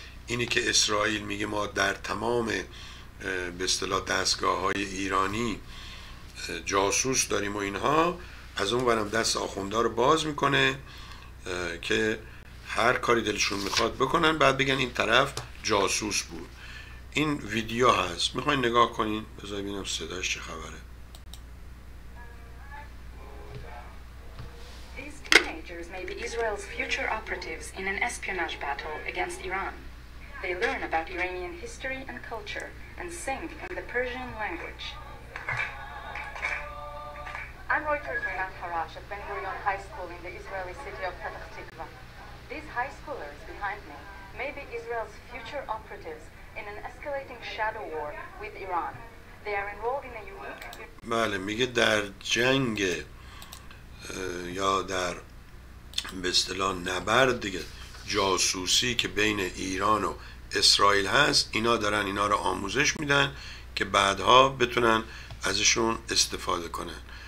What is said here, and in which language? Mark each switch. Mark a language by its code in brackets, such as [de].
[fa] اینی که اسرائیل میگه ما در تمام به اصطلاح دستگاه های ایرانی جاسوس داریم و اینها، از اون برم دست آخوندار رو باز میکنه که هر کاری دلشون میخواد بکنن، بعد بگن این طرف جاسوس بود. این ویدیو هست، میخواین نگاه کنین؟ بذار ببینم صداش چه خبره. [en] May be Israel's future operatives in an espionage battle against Iran. They learn about Iranian history and culture and sing in the Persian language. I'm Reuters Renan Farash at Ben Gurion High School in the Israeli city of Petah Tikva. These high schoolers behind me may be Israel's future operatives in an escalating shadow war with Iran. They are enrolled in a unique... [fa] بله میگه در جنگ یا در به اصطلاح نبرد دیگه جاسوسی که بین ایران و اسرائیل هست، اینا دارن اینا رو آموزش میدن که بعدها بتونن ازشون استفاده کنن.